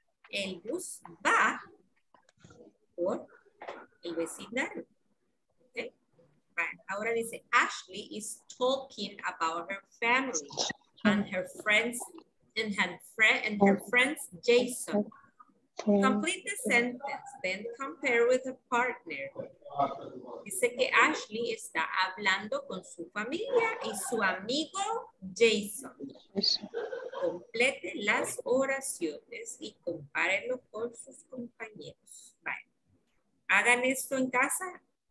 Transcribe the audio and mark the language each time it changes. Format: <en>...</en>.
<es>El bus va por el vecindario.</es> <en>Okay. Right.</en> <es>Ahora dice,</es> <en>Ashley is talking about her family and her friends and her friends Jason. Complete the sentence, then compare with her partner.</en> <es>Dice que Ashley está hablando con su familia y su amigo Jason. Complete las oraciones y compárenlo con sus compañeros. Vale. Hagan esto en casa.</es>